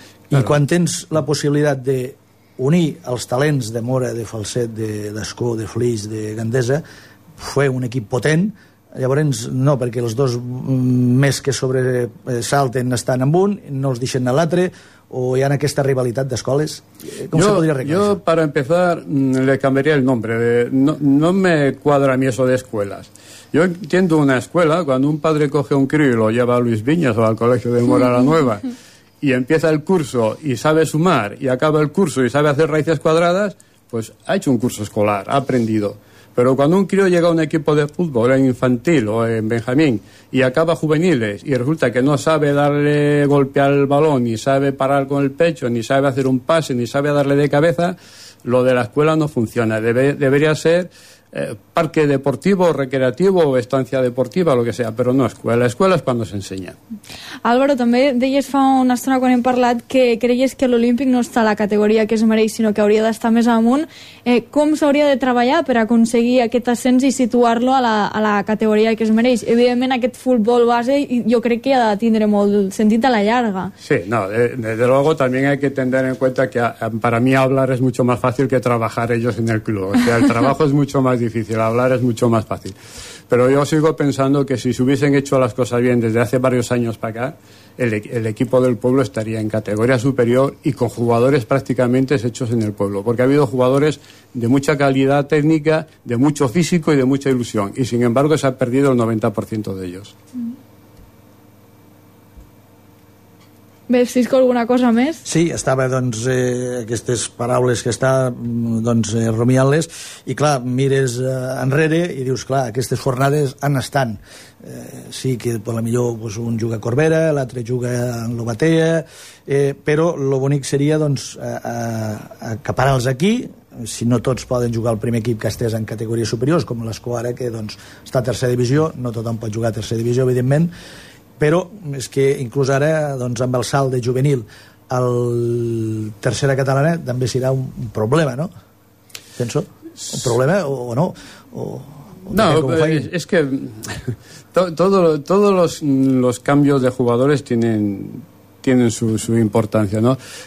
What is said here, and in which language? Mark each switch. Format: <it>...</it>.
<ca>Claro. I quan tens la possibilitat d'unir els talents de Mora, de Falset, d'Escó, de Flix, de Gandesa, fer un equip potent, llavors no, perquè els dos més que sobresalten estan en un, no els deixen a l'altre, o hi ha aquesta rivalitat d'escoles. Com se podria arreglar? Jo, per</ca> <es>empezar, le cambiaría el nombre. No me cuadra a mí eso de escuelas. Yo entiendo una escuela cuando un padre coge un crío y lo lleva a Luis Viñas o al colegio de Mora la Nueva y empieza el curso y sabe sumar y acaba el curso y sabe hacer raíces cuadradas, pues ha hecho un curso escolar, ha aprendido. Pero cuando un crío llega a un equipo de fútbol en infantil o en benjamín y acaba juveniles y resulta que no sabe darle golpe al balón, ni sabe parar con el pecho, ni sabe hacer un pase, ni sabe darle de cabeza, lo de la escuela no funciona. Debería ser parque deportivo, recreativo o estancia deportiva, lo que sea, pero no escuela. La escuela es cuando se enseña.</es> <ca>Álvaro, també deies fa una estona quan hem parlat que creies que l'Olímpic no està a la categoria que es mereix, sinó que hauria d'estar més amunt. Com s'hauria de treballar per aconseguir aquest ascens i situar-lo a la categoria que es mereix? Evidentment, aquest futbol base jo crec que ha de tindre molt sentit a la llarga.</ca> <es>Sí, no, desde luego también hay que tener en cuenta que para mí hablar es mucho más fácil que trabajar ellos en el club. O sea, el trabajo es mucho más difícil, hablar es mucho más fácil, pero yo sigo pensando que si se hubiesen hecho las cosas bien desde hace varios años para acá, el equipo del pueblo estaría en categoría superior y con jugadores prácticamente hechos en el pueblo, porque ha habido jugadores de mucha calidad técnica, de mucho físico y de mucha ilusión, y sin embargo se ha perdido el 90% de ellos.</es> <ca>Vestisco alguna cosa més? Sí, estava, doncs, aquestes paraules que està, doncs, rumiant-les, i clar, mires enrere i dius, clar, aquestes fornades han estat. Sí, que per la millor doncs, un juga a Corbera, l'altre juga en Lobatea, però lo bonic seria, doncs, acaparar-los aquí, si no tots poden jugar al primer equip que estigués en categories superiors, com l'Escó ara, que doncs, està a tercera divisió, no tothom pot jugar a tercera divisió, evidentment, però és que inclús ara doncs, amb el salt de juvenil al tercera catalana també serà un problema, no? Penso, un problema o no?</ca> <es>No,</es> <ca>és que</ca> <es>todos los cambios de jugadores tienen su importancia, ¿no?</es>